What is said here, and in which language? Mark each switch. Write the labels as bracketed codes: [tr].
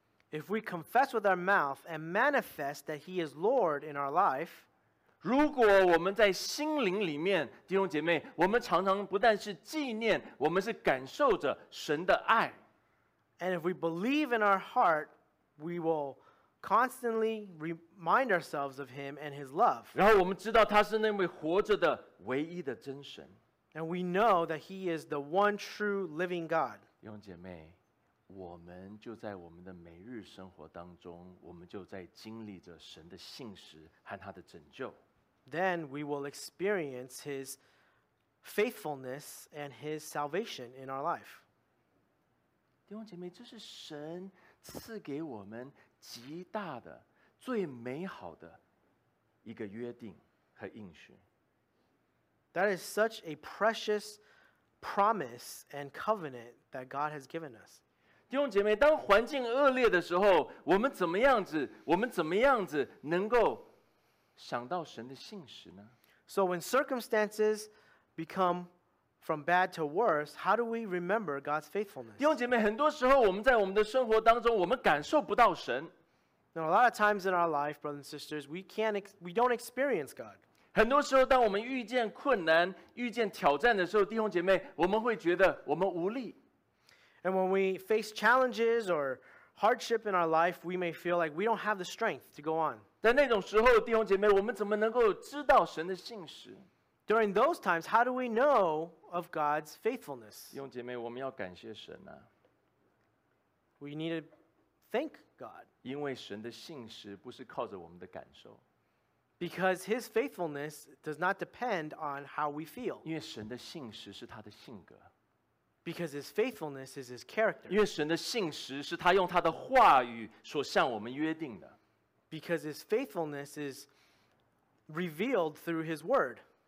[en] If we confess with our mouth and manifest that He is Lord in our life, [zh] 如果我们在心灵里面，弟兄姐妹，我们常常不但是纪念，我们是感受着神的爱。 [en] And if we believe in our heart, we will constantly remind ourselves of Him and His love. [zh] 然后我们知道他是那位活着的唯一的真神。 [en] And we know that He is the one true living God. [zh] 弟兄姐妹，我们就在我们的每日生活当中，我们就在经历着神的信实和他的拯救。 [en] Then we will experience His faithfulness and His salvation in our life. [zh] 弟兄姐妹，这是神赐给我们极大的、最美好的一个约定和应许。 [en] That is such a precious promise and covenant that God has given us. [zh] 弟兄姐妹，当环境恶劣的时候，我们怎么样子能够想到神的信实呢？ [en] So when circumstances become from bad to worse, how do we remember God's faithfulness? [zh] 弟兄姐妹，很多时候我们在我们的生活当中，我们感受不到神。 [en] Now, a lot of times in our life, brothers and sisters, we don't experience God. [zh] 很多时候当我们遇见困难，遇见挑战的时候，弟兄姐妹，我们会觉得我们无力。 [en] And when we face challenges or hardship in our life, we may feel like we don't have the strength to go on. [zh] 在那种时候，弟兄姐妹，我们怎么能够知道神的信实？ [en] During those times, how do we know of God's faithfulness? [zh] 弟兄姐妹，我们要感谢神啊。 [en] We need to thank God. [zh] 因为神的信实不是靠着我们的感受。 [en] Because his faithfulness does not depend on how we feel. [zh] 因为神的信实是他的性格。 [en] Because his faithfulness is his character. [zh] 因为神的信实是他用他的话语所向我们约定的。 [en] Because his faithfulness is revealed through his word.